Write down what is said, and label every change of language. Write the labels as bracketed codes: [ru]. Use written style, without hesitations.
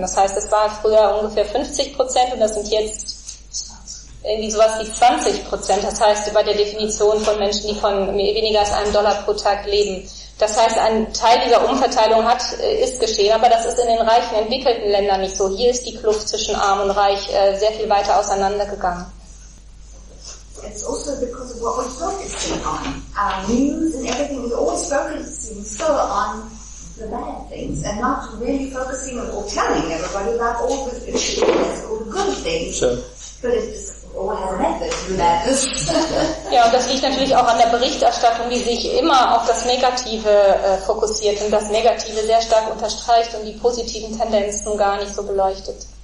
[de] Das heißt, es war früher ungefähr 50% und das sind jetzt irgendwie sowas wie 20%. Das heißt, bei der Definition von Menschen, die von weniger als einem Dollar pro Tag leben. Das heißt, ein Teil dieser Umverteilung ist geschehen, aber das ist in den reichen, entwickelten Ländern nicht so. Hier ist die Kluft zwischen Arm und Reich sehr viel weiter auseinandergegangen. [en] It's also because of what we're focusing on. Our news and everything, we're always focusing so on the bad things and not really focusing or telling everybody about all the good things. All the good things. Sure. But it's [de] ja, und das liegt natürlich auch an der Berichterstattung, die sich immer auf das Negative fokussiert und das Negative sehr stark unterstreicht und die positiven Tendenzen gar nicht so beleuchtet.